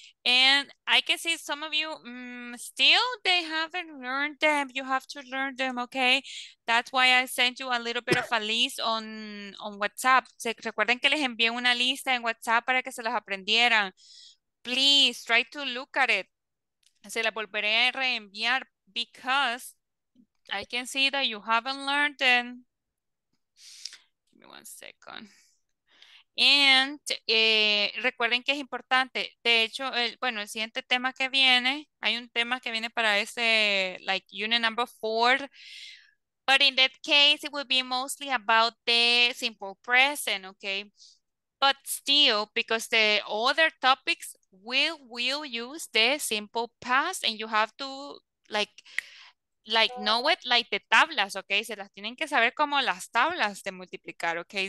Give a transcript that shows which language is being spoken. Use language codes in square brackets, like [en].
[en] And I can see some of you still they haven't learned them. You have to learn them, okay? That's why I sent you a little bit of a list on WhatsApp. [es] ¿Se recuerdan que les envié una lista en WhatsApp para que se las aprendieran? [en] Please try to look at it. [es] Se la volveré a reenviar [en] because I can see that you haven't learned them. Give me one second. And [es] recuerden que es importante. De hecho, bueno, el siguiente tema que viene, hay un tema que viene para ese, like, unit number 4. [en] But in that case, it will be mostly about the simple present, okay? But still, because the other topics will use the simple past and you have to, like know it like the tablas, okay? [es] Se las tienen que saber como las tablas de multiplicar, okay?